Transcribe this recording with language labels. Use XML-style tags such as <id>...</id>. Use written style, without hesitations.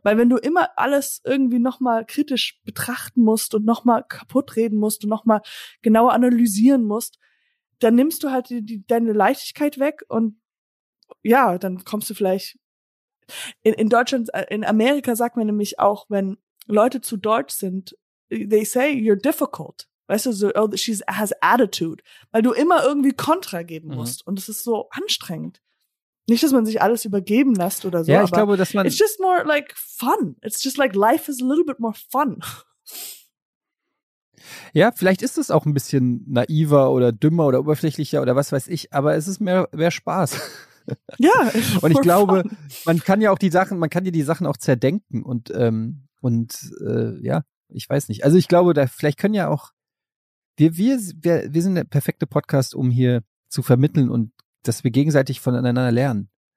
<de>Weil wenn du immer alles irgendwie nochmal kritisch betrachten musst und nochmal kaputt reden musst und nochmal genauer analysieren musst, dann nimmst du halt deine Leichtigkeit weg und ja, dann kommst du vielleicht in Amerika sagt man nämlich auch, wenn Leute zu deutsch sind,</de> <en>they say you're difficult.</en> <de>Weißt du, so,</de> <en>oh, she has attitude.</en> <de>Weil du immer irgendwie Kontra geben musst und es ist so anstrengend. Nicht, dass man sich alles übergeben lässt oder so. Ja, ich aber glaube, dass man.</de> <en>It's just more like fun. It's just like life is a little bit more fun.</en> <de>Ja, vielleicht ist es auch ein bisschen naiver oder dümmer oder oberflächlicher oder was weiß ich, aber es ist mehr Spaß. Ja. Und ich glaube, man kann ja auch man kann dir die Sachen auch zerdenken und ich weiß nicht. Also ich glaube, da vielleicht können ja auch wir sind der perfekte Podcast, um hier zu vermitteln und dass wir gegenseitig voneinander lernen.</de>